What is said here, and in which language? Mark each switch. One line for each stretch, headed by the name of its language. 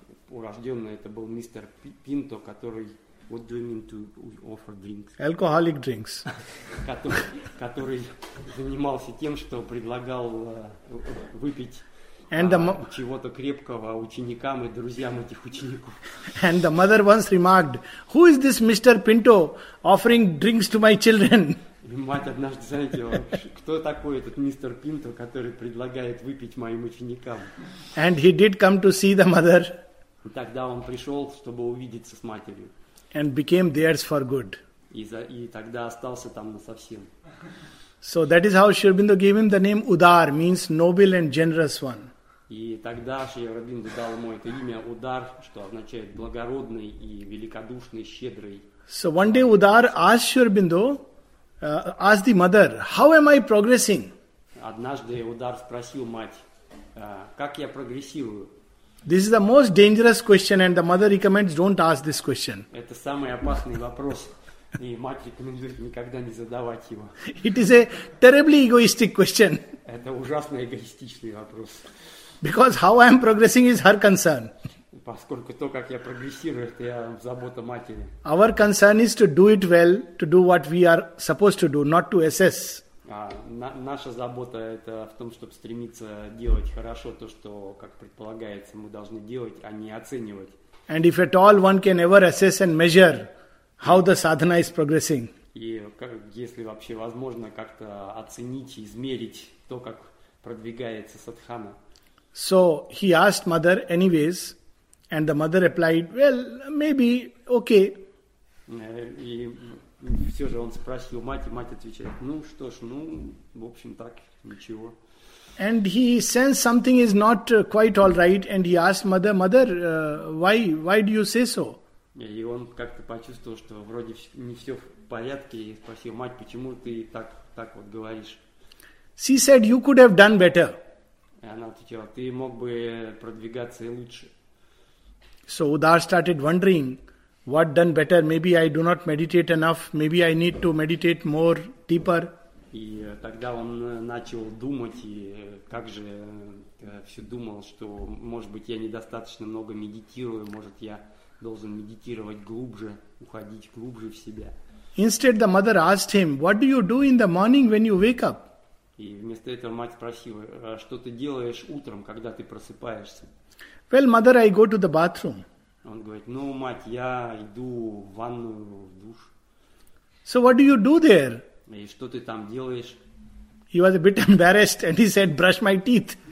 Russian: Урожденный это был мистер Пинто, который...
English: What do you mean to offer drinks? Alcoholic drinks.
Russian: который занимался тем, что предлагал выпить чего-то крепкого ученикам и друзьям этих учеников.
English: And the mother once remarked, "Who is this Mr. Pinto offering drinks to my children?"
Russian: Мать однажды заметила, кто такой этот мистер Пинто, который предлагает выпить моим ученикам.
English: And he did come to see the mother.
Russian: И тогда он пришел, чтобы увидеться с матерью.
English: And became theirs for good.
Russian: И тогда остался там насовсем.
English: So that is how Sri Aurobindo gave him the name Udar, means noble and generous one.
Russian: И тогда Шри Аурабинда дал ему это имя Удар, что означает благородный и великодушный, щедрый.
English: So one day Udar asked Sri Aurobindo, asked the mother, "How am I progressing?"
Russian: Однажды Удар спросил мать, как я прогрессирую?
English: This is the most dangerous question, and the mother recommends don't ask this question.
Russian: Это самый опасный вопрос, и мать рекомендует никогда не задавать его.
English: It is a terribly egoistic question.
Russian: Это ужасно эгоистичный вопрос.
English: Because how I am progressing is her concern.
Russian: Поскольку то, как я прогрессирую, это я забота матери.
English: Our concern is to do it well, to do what we are supposed to do, not to assess.
Russian: Наша забота это в том, чтобы стремиться делать хорошо то, что, как предполагается, мы должны делать, а не оценивать.
English: And if at all one can ever assess and measure how the sadhana is progressing.
Russian: И как, если вообще возможно как-то оценить, измерить то, как продвигается садхана.
English: So he asked mother anyways, and the mother replied, well, maybe, okay.
Russian: И все же он спросил мать, и мать отвечает, ну что ж, ну, в общем так, ничего.
English: And he sensed something is not quite all right, and he asked mother, mother, why do you say so?
Russian: И он как-то почувствовал, что вроде не все в порядке, и спросил, мать, почему ты так вот говоришь?
English: She said, you could have done better.
Russian: И она ответила, ты мог бы продвигаться лучше.
English: So Udar started wondering, what done better? Maybe I do not meditate enough. Maybe I need to meditate more, deeper.
Russian: И тогда он начал думать, и как же все думал, что, может быть, я недостаточно много медитирую, может, я должен медитировать глубже, уходить глубже в себя.
English: Instead, the mother asked him, what do you do in the morning when you wake up?
Russian: И вместо этого мать спросила, что ты делаешь утром, когда ты просыпаешься?
English: Well, mother, I go to the bathroom.
Russian: Он говорит, ну, мать, я иду в ванную, в душ.
English: So what do you do there?
Russian: И что ты там делаешь?
English: He was a bit embarrassed and he said, brush my teeth.